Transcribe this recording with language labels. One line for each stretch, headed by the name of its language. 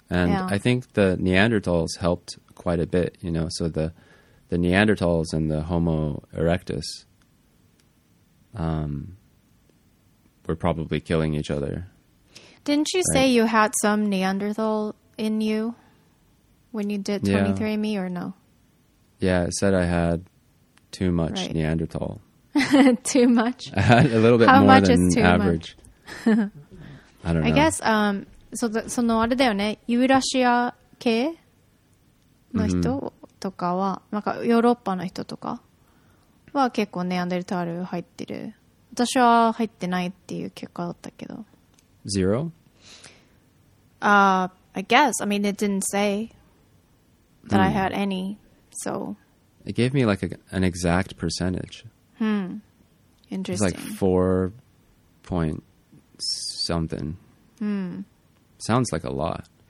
English: And yeah. I think the Neanderthals helped quite a bit, you know, so the Neanderthals and the Homo erectus were probably killing each other. Didn't you say you had some Neanderthal in you when you did 23andMe or no? Yeah, it said I had too much Neanderthal. Too much? I had a little bit How more than average. I don't know. I guess,
Japanese: そのあれだよね、ユーラシア系の人とかは、なんかヨーロッパの人とかは結構ネアンデルタール入ってる。私は入ってないっていう結果だったけど。
English: Zero? I guess. I mean, it didn't say that I had any, so. It gave me like an exact percentage. Interesting. It's like 4 point something. Sounds like a lot.